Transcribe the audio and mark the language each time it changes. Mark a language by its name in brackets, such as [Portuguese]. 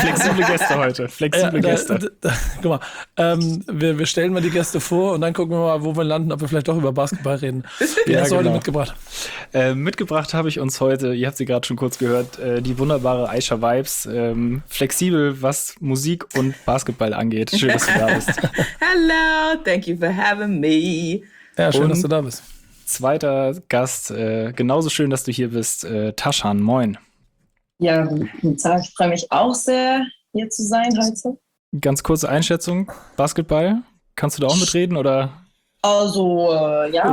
[German] Flexible Gäste heute. Gäste. Guck mal. Wir stellen mal die Gäste vor und dann gucken wir mal, wo wir landen, ob wir vielleicht doch über Basketball reden. Wer hast du heute mitgebracht? Mitgebracht habe ich uns heute, ihr habt sie gerade schon kurz gehört, die wunderbare Aisha Vibes. Flexibel, was Musik und Basketball angeht. Schön, dass du da bist. [English] Hello, thank you for having me. [German] Ja, schön, dass du da bist. Zweiter Gast, genauso schön, dass du hier bist. Tashan, moin. Ja, ich freue mich auch sehr, hier zu sein heute. Ganz kurze Einschätzung, Basketball, kannst du da auch mitreden oder? Also, ja.